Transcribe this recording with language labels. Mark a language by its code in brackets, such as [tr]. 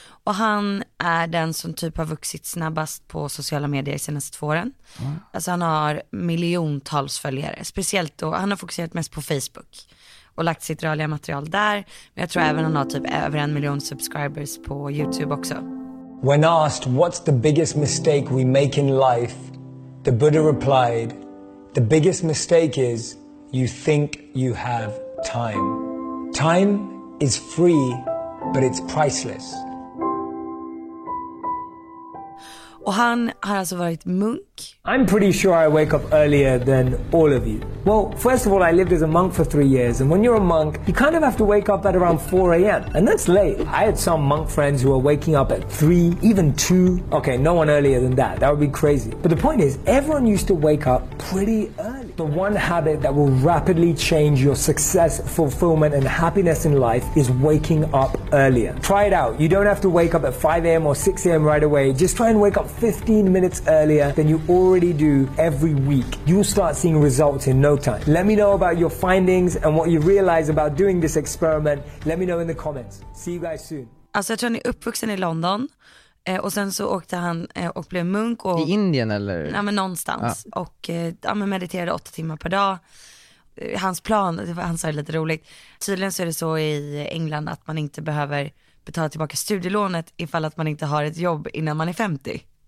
[sv] Och han är den som typ har vuxit snabbast på sociala medier de senaste 2 åren. Mm. Alltså han har miljontals följare. Speciellt då, han har fokuserat mest på Facebook- och lagt sitt rörliga material där. Men jag tror även han har typ över 1 miljon subscribers på YouTube också. [en] When asked what's the biggest mistake we make in life, the Buddha replied, the biggest mistake is you think you have time. Time is free, but it's priceless. [sv] Och han har alltså varit munk. [en] I'm pretty sure I wake up earlier than all of you. Well, first of all, I lived as a monk for 3 years. And when you're a monk, you kind of have to wake up at around 4 a.m. And that's late. I had some monk friends who were waking up at 3, even 2. Okay, no one earlier than that. That would be crazy. But the point is, everyone used to wake up pretty early. The one habit that will rapidly change your success, fulfillment, and happiness in life is waking up earlier. Try it out. You don't have to wake up at 5 a.m. or 6 a.m. right away. Just try and wake up 15 minutes earlier than you already do every week. You'll start seeing results in no time. Let me know about your findings and what you realize about doing this experiment. Let me know in the comments. See you guys soon. [sv] Alltså jag tror han är uppvuxen i London och sen så åkte han och blev munk och, i Indien eller? Ja men någonstans. Ja. Och han mediterade 8 timmar per dag. Hans plan, han sa det lite roligt. Tydligen så är det så i England att man inte behöver betala tillbaka studielånet ifall att man inte har ett jobb innan man är 50.